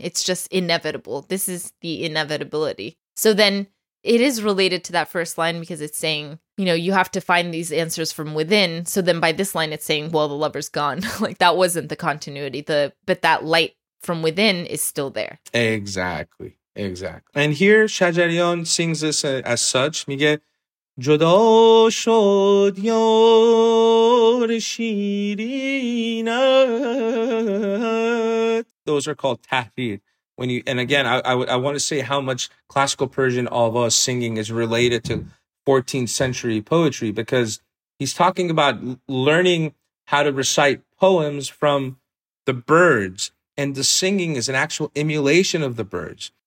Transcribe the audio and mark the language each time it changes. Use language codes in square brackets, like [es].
[en] It's just inevitable. This is the inevitability. So then it is related to that first line because it's saying, you know, you have to find these answers from within. So then by this line, it's saying, well, the lover's gone. Like that wasn't the continuity. But that light from within is still there. Exactly. Exactly. And here Shajaryan sings this as such. [fa] Mige, جدا شد یار شیرینت. [en] Those are called tahrir. When you, and again, I want to say how much classical Persian avaz singing is related to 14th century poetry, because he's talking about learning how to recite poems from the birds, and the singing is an actual emulation of the birds.